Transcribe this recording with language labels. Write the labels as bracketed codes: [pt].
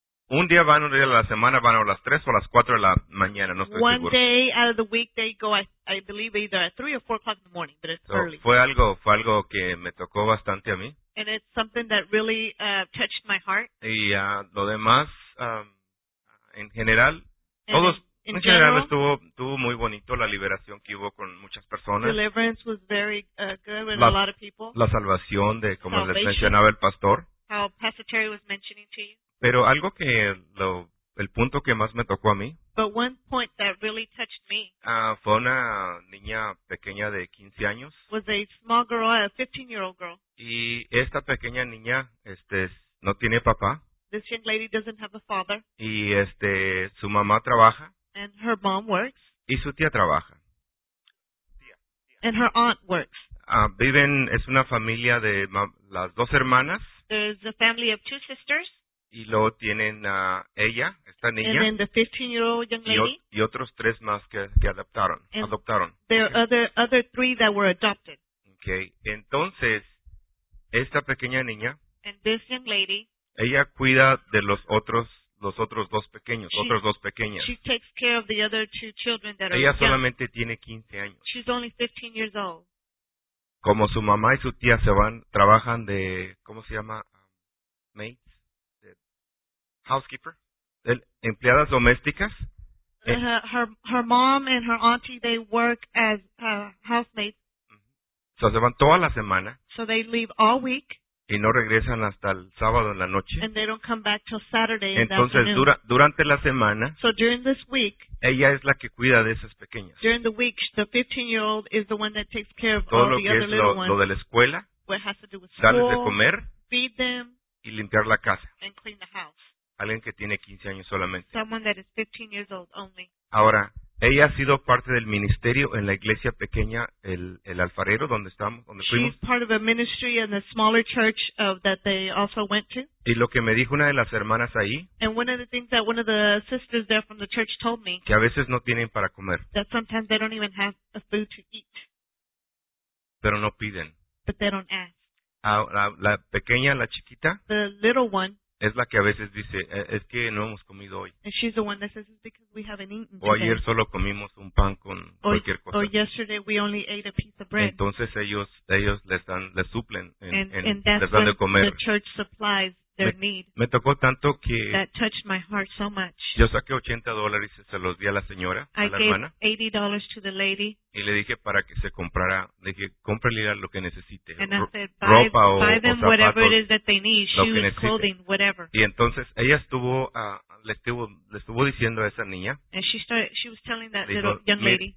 [es] Un día van a ir a la semana, van a las 3 o a las 4 de la mañana, no estoy [en] one [es] seguro. [en] One day out of the week, they go, I believe, either at 3 or 4:00 in the morning, but it's so early. [es] Fue algo que me tocó bastante a mí. [en] And it's something that really touched my heart. [es] Y lo demás, en general, estuvo muy bonito la liberación que hubo con muchas personas. [en] Deliverance was very good with a lot of people. [es] La salvación de, como les mencionaba el pastor. [en] How Pastor Terry was mentioning to you. [es] Pero algo que, el punto que más me tocó a mí. [en] But one point that really touched me. [es] Fue una niña pequeña de 15 años. [en] Was a small girl, a 15-year-old girl. [es] Y esta pequeña niña, no tiene papá. [en] This young lady doesn't have a father. [es] Y su mamá trabaja. [en] And her mom works. [es] Y su tía trabaja. [en] Tía. And her aunt works. [es] Viven, es una familia de las dos hermanas. [en] There's a family of two sisters. [es] Y luego tienen a ella, esta niña. [en] And then the 15-year-old young lady. [es] Y otros tres más que adoptaron. [en] And [es] adoptaron. [en] There are other three that were adopted. [es] Okay, entonces. Esta pequeña niña, [en] and this young lady, [es] ella cuida de los otros, los otros dos pequeños, otras dos pequeñas. [en] She takes care of the other two children that [es] ella [en] are young. [es] Solamente tiene 15 años. [en] She's only 15 years old. [es] Como su mamá y su tía se van, trabajan de, ¿cómo se llama? [en] Maids? Housekeeper? [es] Empleadas domésticas. [en] Her mom and her auntie, they work as housemaids. [es] So se van toda la semana. [en] So they leave all week. [es] Y no regresan hasta el sábado en la noche. [en] And they don't come back till Saturday. [es] Entonces, [en] in the afternoon. [es] Durante la semana, [en] so during this week, [es] ella es la que cuida de esas pequeñas. [en] During the week, the 15-year-old is the one that takes care of [es] todo [en] all the other little ones. [es] Lo de la escuela, [en] what has to do with school, [es] darles de comer, [en] feed them, [es] y limpiar la casa. [en] And clean the house. [es] Alguien que tiene 15 años solamente. [en] Someone that is 15 years old only. [es] Ahora, ella ha sido parte del ministerio en la iglesia pequeña, el alfarero, donde estamos, donde [en] she's [es] fuimos. [en] She's part of a ministry in the smaller church that they also went to. [es] Y lo que me dijo una de las hermanas ahí. [en] And one of the things that one of the sisters there from the church told me. [es] Que a veces no tienen para comer. [en] That sometimes they don't even have a food to eat. [es] Pero no piden. [en] But they don't ask. [es] La pequeña, la chiquita. [en] The little one. [es] Es la que a veces dice, es que no hemos comido hoy. [en] And she's the one that says it's because we haven't eaten today. [es] O ayer solo comimos un pan con cualquier cosa. [en] Or yesterday we only ate a piece of bread. [es] Entonces ellos les suplen, les dan de comer. [en] The church supplies their need. [es] Me tocó tanto que [en] that touched my heart so much. [es] Yo saqué $80 y se los di a la señora, a la hermana. [en] I gave $80 to the lady. [es] Y le dije para que se comprara, dije, cómprale lo que necesite. [en] And I said, [es] ropa o [en] buy them [es] o zapatos, [en] whatever it is that they need, shoes, clothing, whatever. [es] Y entonces ella estuvo, le estuvo diciendo a esa niña. [en] And she was telling that little young lady.